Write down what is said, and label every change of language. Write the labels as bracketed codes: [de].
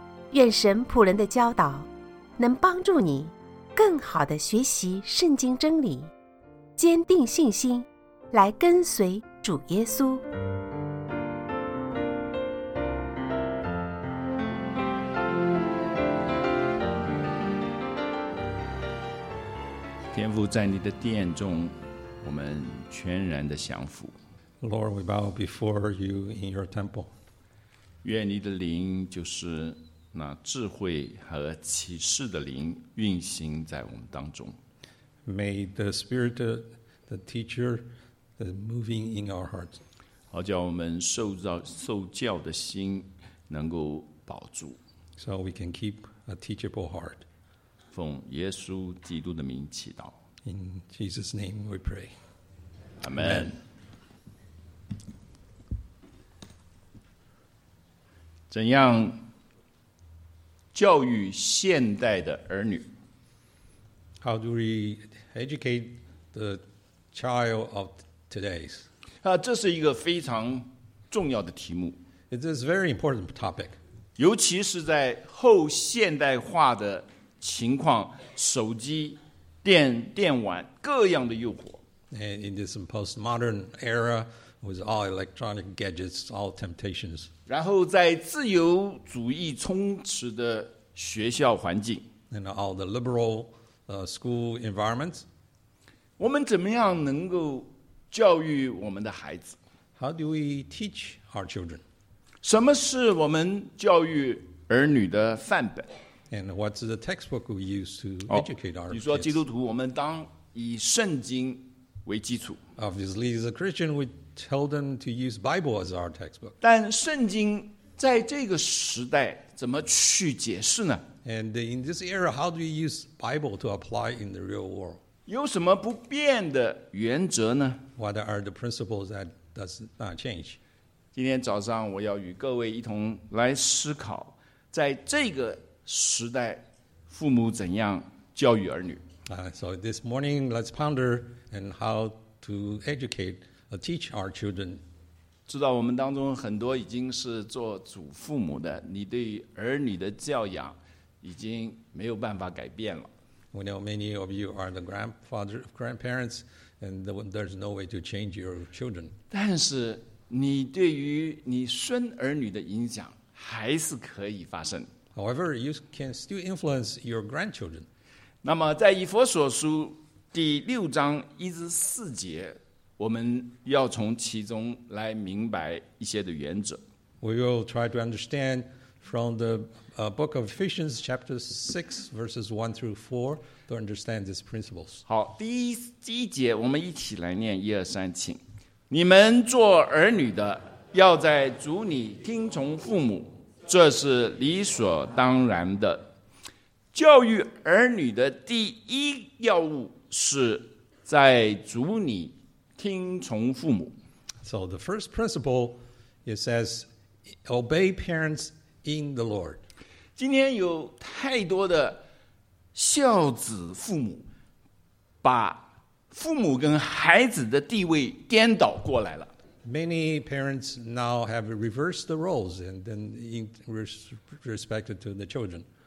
[zh] 愿神仆人的教导能帮助你更好地学习圣经真理，坚定信心来跟随主耶稣。天父，在你的殿中，我们全然的降服。 [en] Lord, we bow before you in your temple. [zh] 愿你的灵，就是那智慧和启示的灵，运行在我们当中。 [en] May the Spirit, the teacher, the moving in our hearts. [zh] 好叫我们受教的心能够保住。 [en] So we can keep a teachable heart. [zh] 奉耶稣基督的名祈祷。 [en] In Jesus' name we pray. Amen. [zh] 怎样教育现代的儿女？ [en] How do we educate the child of today's? [zh] 这是一个非常重要的题目。 [en] It is a very important topic. [zh] 尤其是在后现代化的情况，手机、电玩各样的诱惑。 [en] And in this postmodern era, with all electronic gadgets, all temptations. [zh] 然后在自由主义充斥的学校环境。 [en] And all the liberal, school environments. [zh] 我们怎么样能够教育我们的孩子？ [en] How do we teach our children? [zh] 什么是我们教育儿女的范本？ [en] And what's the textbook we use to educate our kids? [zh] 你说基督徒，我们当以圣经为基础。 [en] Obviously, as a Christian, we tell them to use Bible as our textbook. [zh] 但圣经在这个时代怎么去解释呢？ [en] And in this era, how do you use Bible to apply in the real world? [zh] 有什么不变的原则呢？ [en] What are the principles that does not change? [zh] 今天早上我要与各位一同来思考，在这个时代父母怎样教育儿女。 [en] So this morning, let's ponder and how to educate or teach our children. [zh] 知道我们当中很多已经是做祖父母的，你对儿女的教养已经没有办法改变了。 [en] We know many of you are the grandparents, and there's no way to change your children. [zh] 但是你对于你孙儿女的影响还是可以发生。 [en] However, you can still influence your grandchildren. [zh] 那么在以弗所书第六章一至四节，我们要从其中来明白一些的原则。 [en] We will try to understand from the book of Ephesians chapter 6 verses 1 through 4 to understand these principles. [zh] 好，第一节我们一起来念，一二三，请。你们做儿女的，要在主里听从父母，这是理所当然的。教育儿女的第一要务是在主里听从父母。 [en] So the first principle, it says, obey parents in the Lord. [zh] 今天有太多的孝子父母把父母跟孩子的地位颠倒过来了。 [en] Many parents now have reversed the roles and then in respect to the children.